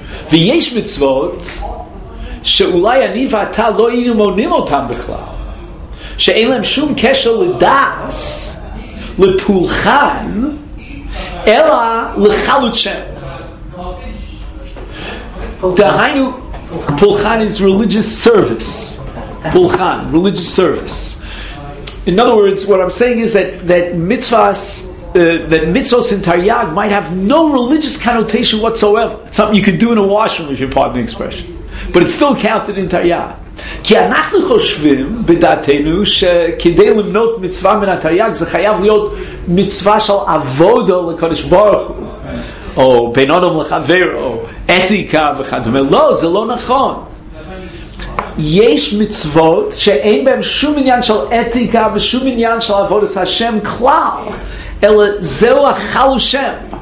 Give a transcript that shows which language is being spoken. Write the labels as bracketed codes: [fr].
[he] ויש מצוות שאולי אני ואתה לא היינו מונים אותן בכלל, שאין להם שום קשר לדס, לפולחן, אלא לחלות שם. [en] דהיינו, פולחן is religious service. פולחן, religious service. In other words, what I'm saying is that mitzvahs in Taryag might have no religious connotation whatsoever. It's something you can do in a washroom, if you pardon the expression. But it's still counted in Taryag. [he] כי אנחנו חושבים בדעתנו שכדי למנות מצווה מן התרי"ג זה חייב להיות מצווה של עבודה לקדוש ברוך הוא, או בין אדם לחבר, או אתיקה וכדומה. לא, זה לא נכון. יש מצוות שאין בהם שום עניין של אתיקה ושום עניין של עבודת השם כלל, אלא זהו החל שם.